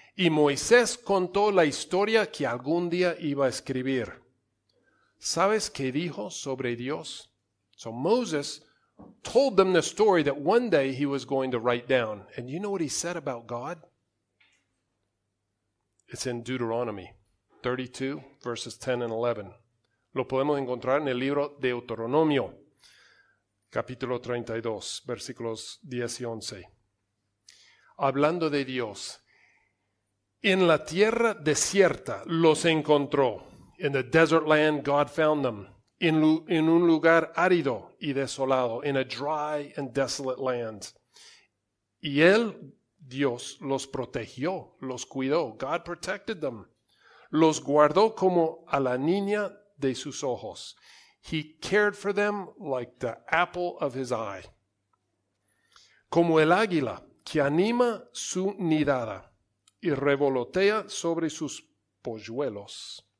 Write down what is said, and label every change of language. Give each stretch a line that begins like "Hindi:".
Spanish: Y Moisés contó la historia que algún día iba a escribir. ¿Sabes qué dijo sobre Dios?
English: So Moses told them the story that one day he was going to write down. And you know what he said about God? It's in Deuteronomy 32, verses 10 and 11.
Spanish: Lo podemos encontrar en el libro Deuteronomio, capítulo 32, versículos 10 y 11. Hablando de Dios, en la tierra desierta los encontró.
English: In the desert land, God found them.
Spanish: En un lugar árido y desolado.
English: In a dry and desolate land.
Spanish: Y él, Dios, los protegió, los cuidó.
English: God protected them.
Spanish: Los guardó como a la niña de sus ojos.
English: He cared for them like the apple of his eye.
Spanish: Como el águila que anima su nidada y revolotea sobre sus polluelos.